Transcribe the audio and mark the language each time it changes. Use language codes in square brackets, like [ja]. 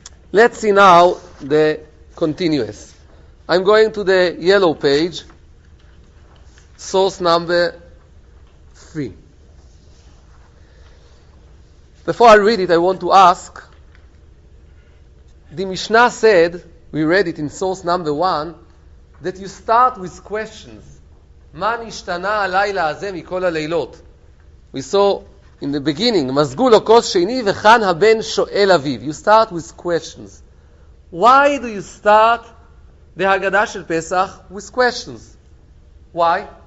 [en] Let's see now the continuous. I'm going to the yellow page, source number three. Before I read it, I want to ask, the Mishnah said, we read it in source number one, that you start with questions. [he] מה נשתנה הלילה הזה מכל הלילות? We saw in the beginning, מזגו לו כוס שני וכאן הבן שואל אביו. [en] You start with questions. Why do you start the הגדה של פסח with questions? Why?